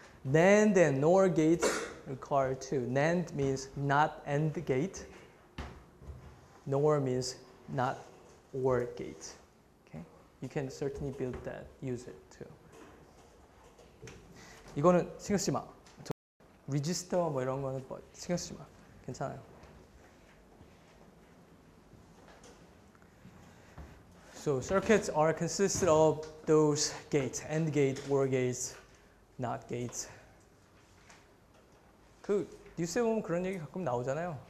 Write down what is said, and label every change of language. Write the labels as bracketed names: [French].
[English] NAND and NOR gate require two. NAND means not AND gate. NOR means not OR gate. Okay? You can certainly build that, use it too. [Korean] 이거는 신경 쓰지 마. 리지스터 뭐 이런 거는 뭐 신경 쓰지 마. 괜찮아요. [English] So circuits are consisted of those gates, AND gate, OR gates, NOT gates. [Korean] 그 뉴스에 보면 그런 얘기 가끔 나오잖아요.